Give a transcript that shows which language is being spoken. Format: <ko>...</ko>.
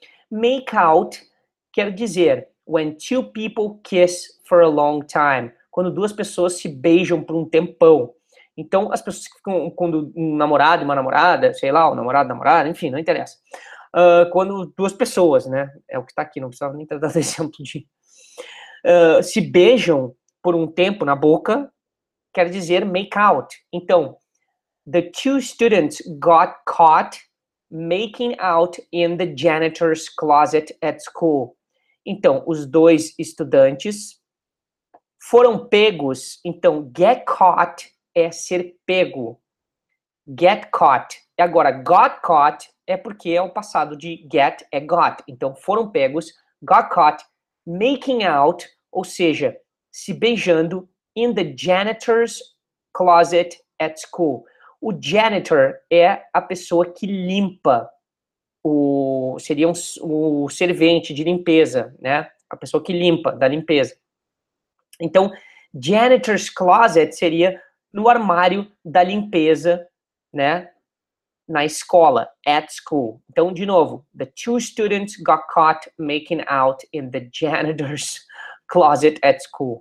<en>Make out</en> <pt>quer dizer</pt> <en>when two people kiss for a long time.</en> <pt>Quando duas pessoas se beijam por um tempão. Então, as pessoas que ficam, quando um namorado e uma namorada, sei lá, um namorado, namorada, enfim, não interessa. Quando duas pessoas, né? É o que tá aqui, não precisava nem dar exemplo de... se beijam por um tempo na boca, quer dizer</pt> <en>make out. Então, the two students got caught making out in the janitor's closet at school.</en> <pt>Então, os dois estudantes foram pegos. Então,</pt> <en>get caught</en> <pt>é ser pego.</pt> <en>Get caught.</en> <pt>E agora, got caught é porque é o passado de get é got. Então, foram pegos,</pt> <en>got caught, making out,</en> <pt>ou seja, se beijando,</pt> <en>in the janitor's closet at school.</en> <pt>O janitor é a pessoa que limpa, o servente de limpeza, né? A pessoa que limpa, da limpeza. Então, janitor's closet seria no armário da limpeza, né? Na escola,</pt> <en>at school.</en> <pt>Então, de novo,</pt> <en>the two students got caught making out in the janitor's closet at school.</en>